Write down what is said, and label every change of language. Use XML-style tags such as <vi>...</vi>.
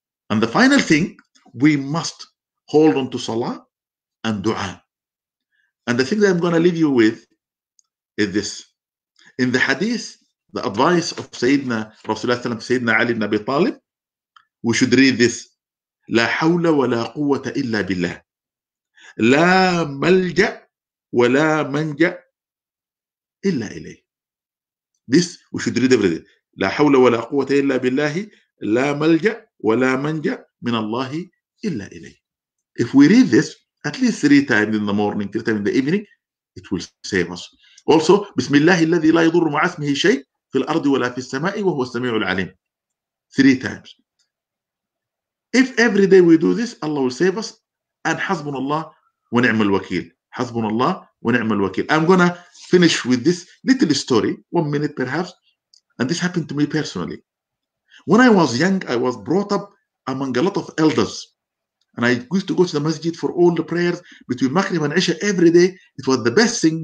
<en>And the final thing, we must hold on to salah and dua. And the thing that I'm going to leave you with is this. In the hadith, the advice of Sayyidina Rasulullah, Sayyidina Ali ibn Abi Talib, we should read this.</en> <ar>لا حول ولا قوة إلا بالله. لا ملجأ ولا منجأ إلا إليه.</ar> <en>This we should read every day.</en> <ar>لا حول ولا قوة إلا بالله. لا ملجأ ولا منجأ من الله إلا إليه.</ar> <en>If we read this at least 3 times in the morning, 3 times in the evening, it will save us.</en> <ar>Also, بسم الله الذي لا يضر مع اسمه شيء في الأرض ولا في السماء وهو السميع العليم.</ar> <en>3 times. If every day we do this, Allah will save us.</en> <ar>And حسبنا الله ونعم الوكيل. حسبنا الله ونعم الوكيل.</ar> <en>I'm gonna finish with this little story, 1 minute perhaps. And this happened to me personally. When I was young, I was brought up among a lot of elders. And I used to go to the masjid for all the prayers between Maghrib and Isha every day. It was the best thing.</en>